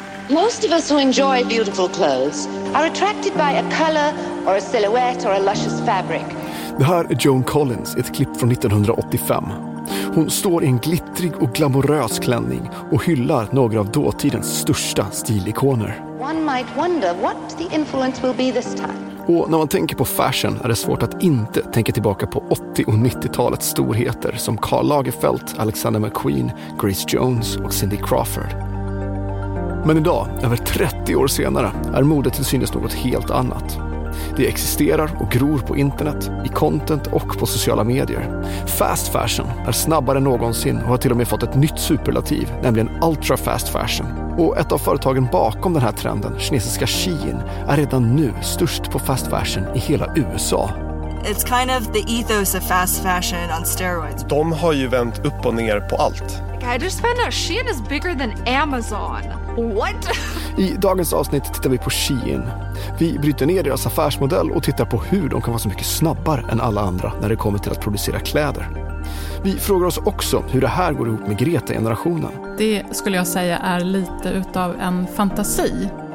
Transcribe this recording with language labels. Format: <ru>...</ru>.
<en>Most of us who enjoy beautiful clothes are attracted by a color or a silhouette or a luscious fabric.</en> <sv>Det här är Joan Collins, ett klipp från 1985. Hon står i en glittrig och glamorös klänning och hyllar några av dåtidens största stilikoner.</sv> <en>One might wonder what the influence will be this time.</en> <sv>Och när man tänker på fashion är det svårt att inte tänka tillbaka på 80- och 90-talets storheter som Karl Lagerfeld, Alexander McQueen, Grace Jones och Cindy Crawford. Men idag, över 30 år senare, är modet till synes något helt annat. Det existerar och gror på internet, i content och på sociala medier. Fast fashion är snabbare än någonsin och har till och med fått ett nytt superlativ, nämligen ultra fast fashion. Och ett av företagen bakom den här trenden, kinesiska Shein, är redan nu störst på fast fashion i hela USA.</sv> <en>It's kind of the ethos of fast fashion on steroids.</en> <sv>De har ju vänt upp och ner på allt.</sv> <en>I just found out Shein is bigger than Amazon. What?</en> <sv>I dagens avsnitt tittar vi på Shein. Vi bryter ner deras affärsmodell och tittar på hur de kan vara så mycket snabbare än alla andra när det kommer till att producera kläder. Vi frågar oss också hur det här går ihop med Greta-generationen. Det skulle jag säga är lite utav en fantasi.</sv>